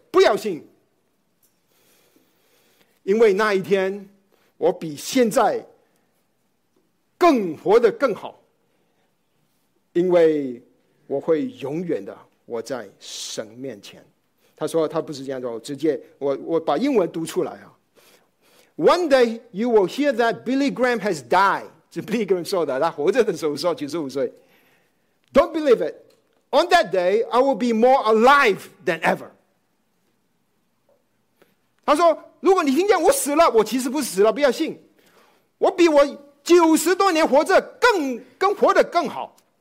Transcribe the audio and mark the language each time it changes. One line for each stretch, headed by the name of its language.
Chinese: 不要信，因为那一天我比现在更活得更好，因为我会永远的活在神面前。他说他不是这样说，我直接 我把英文读出来啊。
English: One day you will hear that Billy Graham has died.
Chinese: 是 Billy Graham 说的，他活着的时候说95岁。
English: Don't believe it. On that day, I will be more alive than ever.
Chinese: 他说，如果你听见我死了，我其实不是死了，不要信。我比我90多年活着更活得更好。